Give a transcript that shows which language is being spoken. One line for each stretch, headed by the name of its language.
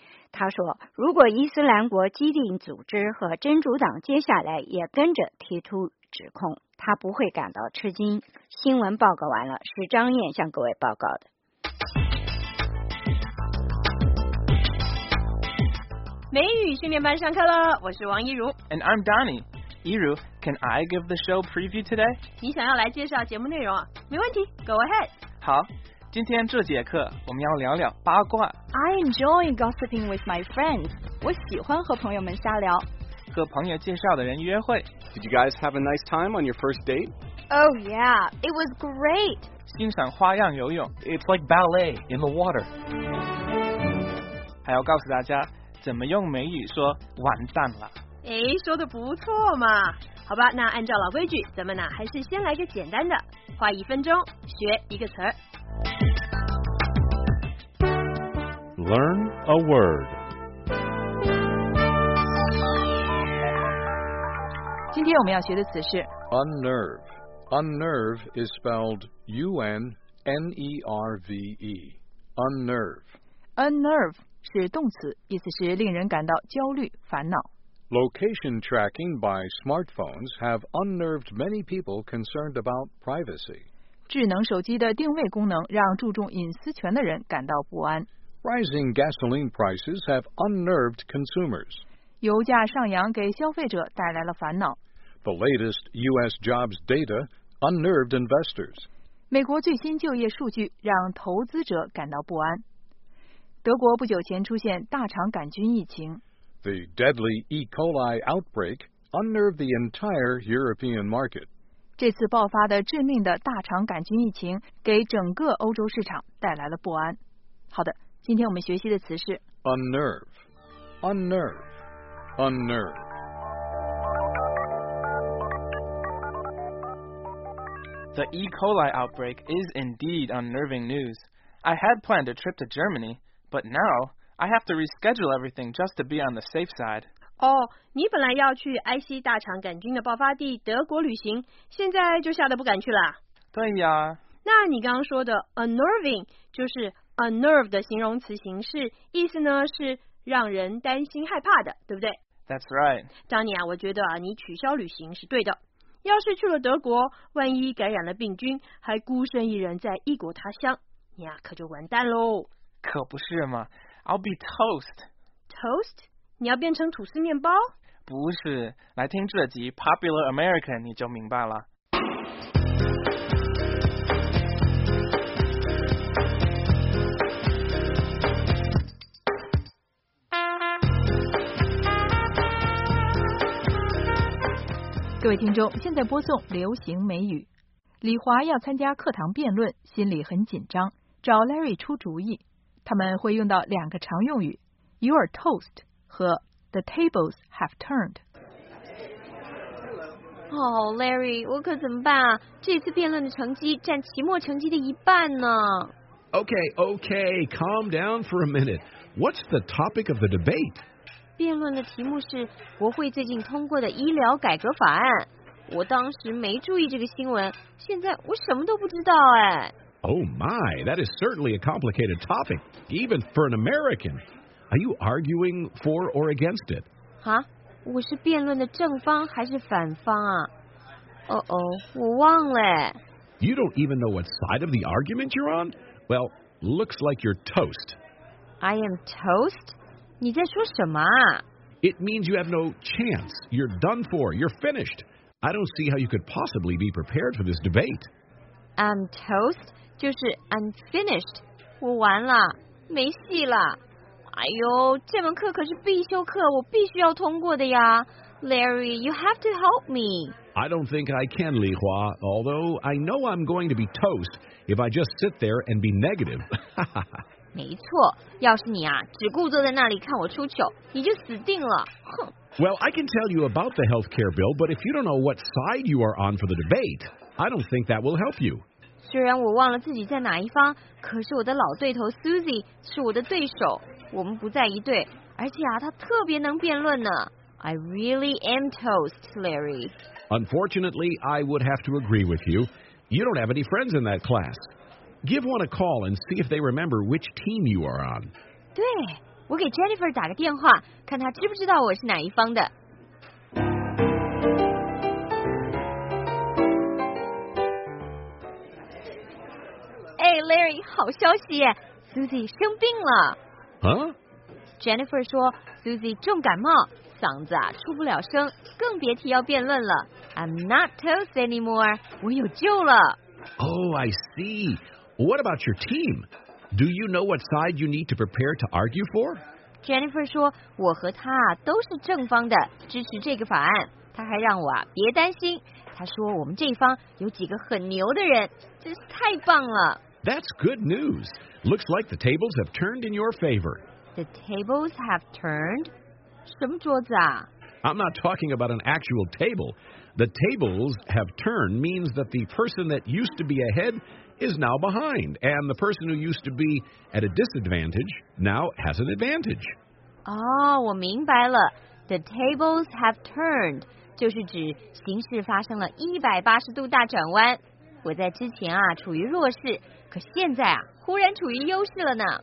Chinese: 他说，如果伊斯兰国基地组织和真主党接下来也跟着提出指控，他不会感到吃惊。新闻报告完了，是张燕向各位报告的。美语训练班上课了，我是王一如。
English: And I'm Donnie。 Iru, can I give the show preview today?
Chinese: 你想要来介绍节目内容啊？没问题，
English: go ahead.
Chinese: 好，今天这节课我们要聊聊八卦。
English: I enjoy gossiping with my friends.
Chinese: 我喜欢和朋友们瞎聊。和朋友介绍的人约会。
English: Did you guys have a nice time on your first date? Oh yeah, it was great.
Chinese: 欣赏花样游泳。
English: It's like ballet in the water.
Chinese: 还要告诉大家怎么用美语说完蛋了。哎，说得不错嘛。好吧，那按照老规矩，咱们呢还是先来个简单的，花一分钟学一个词儿。
English: Learn a word。
Chinese: 今天我们要学的词是
English: unnerve。 unnerve is spelled U-N-N-E-R-V-E。 unnerve。
Chinese: unnerve 是动词，意思是令人感到焦虑、烦恼。
English: Location tracking by smartphones have unnerved many people concerned about privacy.
Chinese: 智能手机的定位功能让注重隐私权的人感到不安。
English: Rising gasoline prices have unnerved consumers.
Chinese: 油价上扬给消费者带来了烦恼。
English: The latest U.S. jobs data unnerved investors.
Chinese: 美国最新就业数据让投资者感到不安。德国不久前出现大肠杆菌疫情。
English: The deadly E. coli outbreak unnerved the entire European market.
Chinese: 这次爆发的致命的大肠杆菌疫情给整个欧洲市场带来了不安。好的，今天我们学习的词是
English: unnerve, unnerve, unnerve. The E. coli outbreak is indeed unnerving news. I had planned a trip to Germany, but now... I have to reschedule everything just to be on the safe side.
Chinese: 哦，你本来要去埃希大肠杆菌的爆发地德国旅行，现在就吓得不敢去了。对呀。那你刚刚说的 unnerving 就是 unnerve 的形容词形式，意思呢是让人担心害怕的，对不对？
English: That's right.
Chinese: 当年啊，我觉得啊，你取消旅行是对的。要是去了德国，万一感染了病菌，还孤身一人在异国他乡，你啊可就完蛋喽。可不是嘛。
English: I'll be toast. Toast?
Chinese: 你要变成吐司面包？不是，来听这集 Popular American 你就明白了。各位听众，现在播送流行美语。李华要参加课堂辩论，心里很紧张，找 Larry 出主意。他们会用到两个常用语 ，
English: You are toast
Chinese: 和
English: The tables have turned。
Chinese: Oh, Larry， 我可怎么办啊？这次辩论的成绩占期末成绩的一半呢。
English: Okay, okay, calm down for a minute. What's the topic of the debate?
Chinese: 辩论的题目是国会最近通过的医疗改革法案。我当时没注意这个新闻，现在我什么都不知道哎。
English: Oh my, that is certainly a complicated topic, even for an American. Are you arguing for or against it? Huh?
Chinese: 我是辩论的正方还是反方啊？ Uh-oh, 我忘了。
English: You don't even know what side of the argument you're on? Well, looks like you're toast. I am toast?
Chinese: 你在说什么啊？
English: It means you have no chance. You're done for. You're finished. I don't see how you could possibly be prepared for this debate. I'm toast?
Chinese: 就是 unfinished， 我完了，没戏了。哎呦，这门课可是必修课，我必须要通过的呀。
English: Larry， you have to help me. I don't think I can, Li Hua. Although I know I'm going to be toast if I just sit there and be negative.
Chinese: 没错，要是你啊，只顾坐在那里看我出糗，你就死定了。哼。
English: Well, I can tell you about the health care bill, but if you don't know what side you are on for the debate, I don't think that will help you.
Chinese: 虽然我忘了自己在哪一方，可是我的老对头 Susie 是我的对手，我们不在一队，而且啊，她特别能辩论呢。
English: I really am toast, Larry. Unfortunately, I would have to agree with you. You don't have any friends in that class. Give one a call and see if they remember which team you are on.
Chinese: 对，我给 Jennifer 打个电话，看她知不知道我是哪一方的。哎 ，Larry， 好消息 ，Susie 生病了。啊？Jennifer 说 ，Susie 重感冒，嗓子啊出不了声，更别提要辩论了。
English: I'm not toast anymore，
Chinese: 我有救了。
English: Oh, I see. What about your team? Do you know what side you need to prepare to argue for?
Chinese: Jennifer 说，我和他啊都是正方的，支持这个法案。他还让我啊别担心。他说我们这方有几个很牛的人，真是太棒了。
English: That's good news. Looks like the tables have turned in your favor. The tables have turned?
Chinese: 什么桌子啊？
English: I'm not talking about an actual table. The tables have turned means that the person that used to be ahead is now behind, and the person who used to be at a disadvantage now has an advantage.
Chinese: 哦，我明白了。
English: The tables have turned.
Chinese: 就是指形势发生了180度大转弯。我在之前啊处于弱势，可现在啊忽然处于优势了呢。